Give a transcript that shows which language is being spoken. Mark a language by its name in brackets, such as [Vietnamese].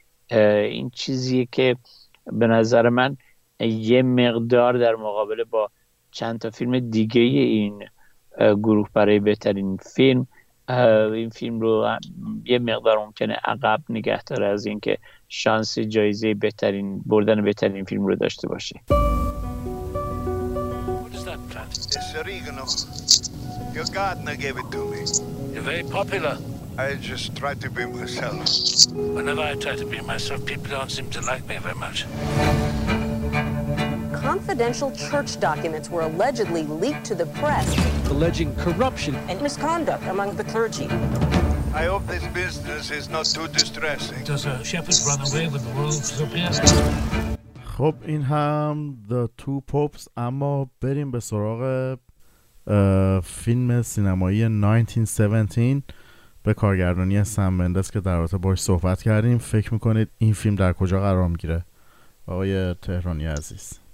[Persian] این چیزیه که به نظر من یه مقدار در مقابل با چند تا فیلم دیگه این گروه برای بهترین فیلم، این فیلم رو یه مقدار ممکنه عقب نگه داره از این که شانس جایزه بهترین بردن بهترین فیلم رو داشته باشه. [English] It's oregano. Your gardener gave it to me. You're very popular. I just try to be myself. Whenever I try to be myself, people don't seem to like me very much. Confidential church documents were allegedly leaked to the press, alleging corruption and misconduct among the clergy. I hope this business is not too distressing. Does a shepherd run away with the wolves or bears? [Persian] خب این هم The Two Popes. اما بریم به سراغ فیلم سینمایی 1917 به کارگردانی سم مندس که در رابطه باش صحبت کردیم. فکر میکنید این فیلم در کجا قرار میگیره آقای تهرانی عزیز؟